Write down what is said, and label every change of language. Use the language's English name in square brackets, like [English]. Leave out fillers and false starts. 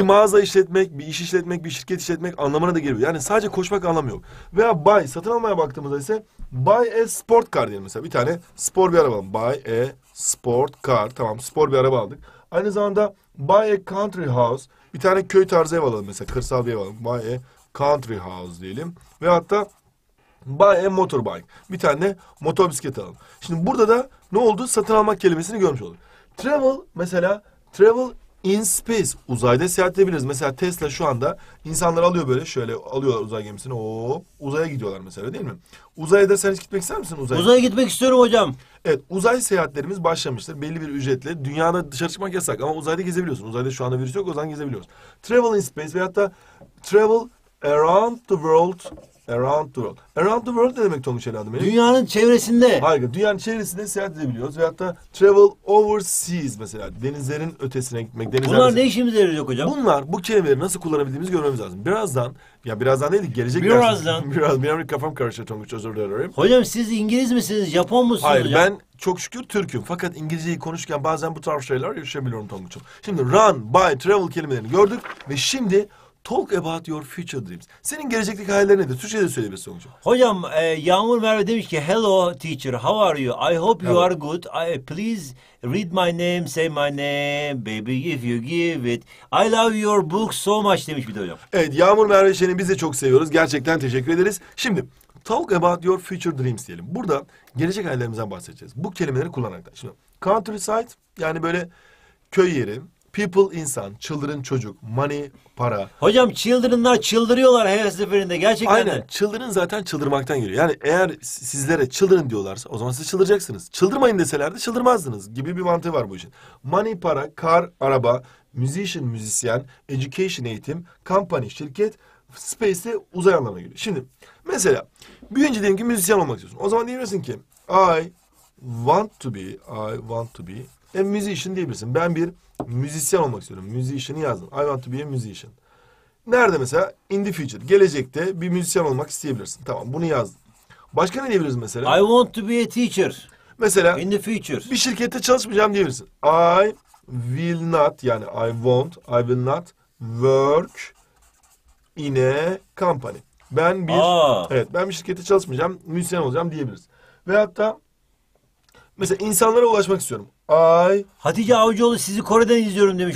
[Turkish] Bir mağaza işletmek, bir iş işletmek, bir şirket işletmek anlamına da geliyor. Yani sadece koşmak anlamı yok. Veya buy, satın almaya baktığımızda ise [English] buy a sport car [Turkish] diyelim mesela. Bir tane spor bir araba aldım. [English] Buy a sport car. [Turkish] Tamam, spor bir araba aldık. Aynı zamanda [English] buy a country house. [Turkish] Bir tane köy tarzı ev alalım mesela. Kırsal bir ev alalım. [English] Buy a country house [Turkish] diyelim. Ve hatta [English] buy a motorbike. [Turkish] Bir tane motor bisiklet alalım. Şimdi burada da ne oldu? Satın almak kelimesini görmüş olduk. Travel mesela, [English] travel in space. [Turkish] Uzayda seyahat edebiliriz. Mesela Tesla şu anda insanları alıyor böyle. Şöyle alıyorlar uzay gemisini. Hop, uzaya gidiyorlar mesela, değil mi? Uzaya da sen hiç gitmek ister misin? Uzaya? Uzaya gitmek istiyorum hocam. Evet, uzay seyahatlerimiz başlamıştır. Belli bir ücretle. Dünyada dışarı çıkmak yasak ama uzayda gezebiliyorsun. Uzayda şu anda virüs yok, o zaman gezebiliyoruz. [English] Travel in space [Turkish] veyahut da [English] travel around the world. Around the world. Around the world [Turkish] ne demek Tonguç evladım benim? Dünyanın çevresinde. Harika. Dünyanın çevresinde seyahat edebiliyoruz. Veyahut da [English] travel overseas [Turkish] mesela. Denizlerin ötesine gitmek. Denizler bunlar mesela. Ne işimize yarayacak hocam? Bunlar, bu kelimeleri nasıl kullanabildiğimizi görmemiz lazım. Birazdan, ya birazdan neydi? Gelecek birazdan. Birazdan. Biraz kafam karıştı Tonguç, özür dilerim. Hocam siz İngiliz misiniz? Japon musunuz? Hayır, hocam? Ben çok şükür Türk'üm. Fakat İngilizceyi konuşurken bazen bu tarz şeyler yaşayabiliyorum Tonguç'um. [English] Şimdi run, buy, travel [Turkish] kelimelerini gördük ve şimdi [English] talk about your future dreams. [Turkish] Senin gelecekteki hayallerin nedir? Türkçe'de söyleyebilirsin hocam. Hocam Yağmur Merve demiş ki [English] hello teacher, how are you? I hope you are good. Please read my name, say my name, baby if you give it. I love your book so much [Turkish] demiş bir de hocam. Evet, Yağmur Merve, seni biz de çok seviyoruz. Gerçekten teşekkür ederiz. Şimdi [English] talk about your future dreams [Turkish] diyelim. Burada gelecek hayallerimizden bahsedeceğiz. Bu kelimeleri kullanarak da. Şimdi countryside, yani böyle köy yeri. People, insan. Children, çocuk. Money, para. Hocam children'lar çıldırıyorlar her seferinde. Gerçekten. Aynen. Children zaten çıldırmaktan geliyor. Yani eğer sizlere children diyorlarsa o zaman siz çıldıracaksınız. Çıldırmayın deseler de çıldırmazdınız gibi bir mantığı var bu işin. Money, para, car, araba, musician, müzisyen, education, eğitim, company, şirket, space'de uzay anlamına geliyor. Şimdi mesela büyüyünce diyelim ki müzisyen olmak istiyorsun. O zaman diyebilirsin ki [English] I want to be a musician [Turkish] diyebilirsin. Ben bir müzisyen olmak istiyorum. Musician'ı yazdın. [English] I want to be a musician. [Turkish] Nerede mesela? [English] In the future. [Turkish] Gelecekte bir müzisyen olmak isteyebilirsin. Tamam, bunu yazdın. Başka ne diyebiliriz mesela? [English] I want to be a teacher. [Turkish] Mesela [English] in the future. [Turkish] Bir şirkette çalışmayacağım diyebilirsin. [English] I will not, yani I will not work in a company. [Turkish] Ben bir evet, ben bir şirkette çalışmayacağım, müzisyen olacağım diyebiliriz. Veyahut da mesela insanlara ulaşmak istiyorum. Ay. Hatice Avcıoğlu sizi Kore'den izliyorum demiş.